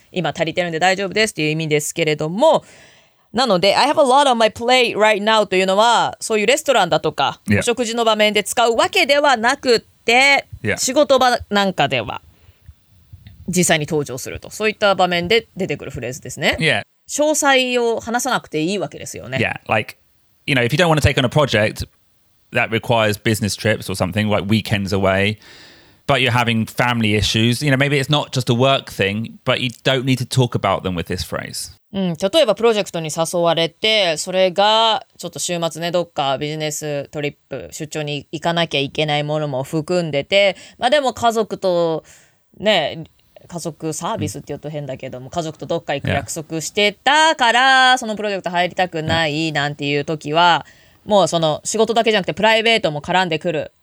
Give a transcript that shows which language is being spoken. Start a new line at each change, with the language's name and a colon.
Japanese: 今足りてるんで大丈夫ですっていう意味ですけれども、なので、 I have a lot on my plate right now というのは、そういうレストランだとか、
English: yeah.
Japanese: お食事の場面で使うわけではなくて、
English: yeah.
Japanese: 仕事場なんかでは実際に登場すると。そういった場面で出てくるフレーズですね。
English: Yeah.
Japanese: 詳細を話さなくていいわけですよね。
English: Yeah, like, you know, if you don't want to take on a project that requires business trips or something, like weekends away, but you're having family issues, you know, maybe it's not just a work thing, but you don't need to talk about them with this phrase.
Japanese: うん、例えばプロジェクトに誘われて、それがちょっと週末ね、どっかビジネストリップ、出張に行かなきゃいけないものも含んでて、まあでも家族とね、家族サービスって言うと変だけども、家族とどっか行く約束してたから、そのプロジェクト入りたくないなんていう時は、もうその仕事だけじゃなくてプライベートも絡んでくる。